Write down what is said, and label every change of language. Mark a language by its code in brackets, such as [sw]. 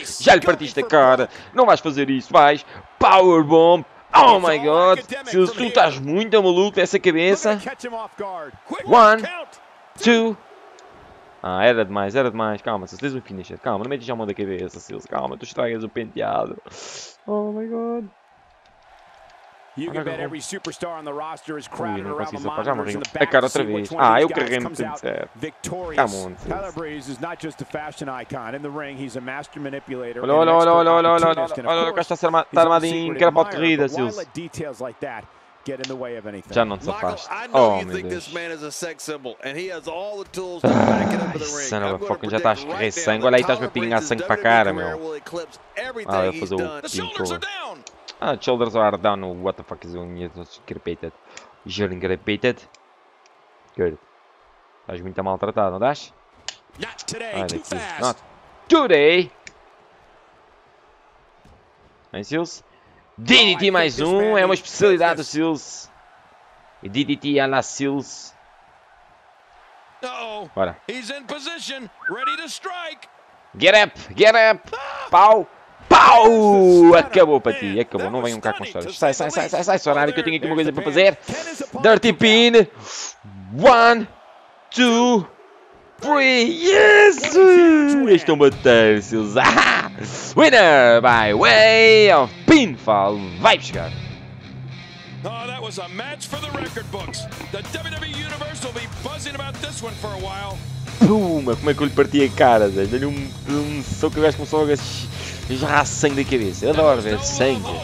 [pt] Já lhe partiste a cara. Não vais fazer isso, vais. Powerbomb. [en] Oh my god, [pt] Sils, tu estás muito maluco dessa cabeça. [en] One, two. [pt] Ah, era demais, era demais. Calma, Sils, tens um finisher. Calma, não metes já a mão da cabeça, Sils. Calma, tu estragas o penteado. [en] Oh my god. You can bet every superstar on the roster is crowded around the monitors in the back. [pt] A cara outra vez. Ah, eu carreguei-me tudo certo. [en] Come on, Sils. Tyler Breeze is not just a fashion icon. In the ring, he's a master manipulator. [pt] Olha, cá está armadinho, que era para a corrida, Sils. [en] Details like that get in the way of anything. [pt] Já não te afaste. Oh, meu Deus. [en] This man is a sex symbol and he has all the tools to back it up in the ring. [pt] Fucking já estás a correr sangue. Olha aí, estás-me a pingar sangue para a cara, meu. Ah, eu fazer o pinto. Ah, [en] shoulders are down. What the fuck is going on? Crepated. Jerry crepated. Good. [pt] Estás muito maltratado, não estás? [en] Not today, too fast. Not today. [pt] Hein, Sils? DDT mais um. É uma especialidade do Sils. DDT a la Sils. Bora. [en] He's in position. Ready to strike. Get up. Get up. Pau. Pau! [pt] Acabou para ti, acabou. Não venham cá com histórias. Sai, sai, sai, sai, sai, sonário, que eu tenho aqui uma coisa para fazer. [en] Dirty pin. One, two, three. Yes! [pt] Este é um bater, Sils. [en] Winner by way of pinfall. [pt] Vai buscar. [en] Oh, that was a match for the record books. The WWE Universe will be buzzing about this one for a while. [pt] Puma, como é que eu lhe parti a cara, Zé? Dá-lhe um soco, gajo, com soco. Já há sangue da cabeça, eu adoro ver sangue.